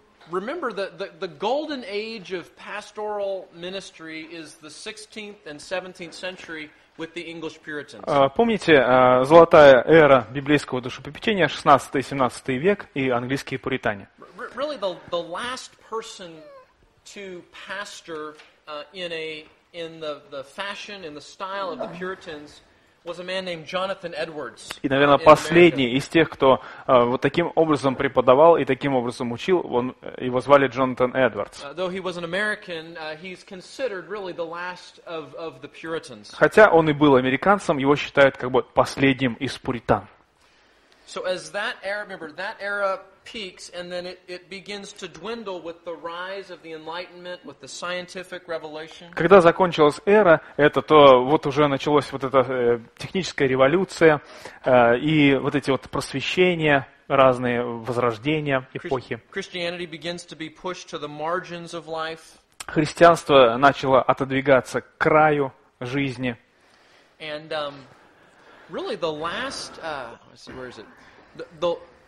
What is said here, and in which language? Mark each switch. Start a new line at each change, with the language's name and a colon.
English: Remember that the golden age of pastoral ministry is the 16th and 17th century with the English Puritans.
Russian: Помните, золотая эра библейского душепопечения 16-17 век и английские пуритане.
English: Really the last person to pastor in the fashion in the style of the Puritans was a man named Jonathan Edwards.
Russian: И, наверное, последний из тех, кто вот таким образом преподавал и таким образом учил, он его звали Джонатан Эдвардс.
English: Though he was an American, he's considered really the last of the Puritans.
Russian: Хотя он и был американцем, его считают как бы последним из пуритан.
English: So as that era, remember, that era peaks and then it begins to dwindle with the rise of the Enlightenment, with the scientific revelation.
Russian: Когда закончилась эра, это то вот уже началась вот эта техническая революция и вот эти вот просвещения, разные возрождения, эпохи.
English: Christianity begins to be pushed to the margins of life.
Russian: Христианство начало отодвигаться к краю жизни.
English: And really the last let's see, where is it?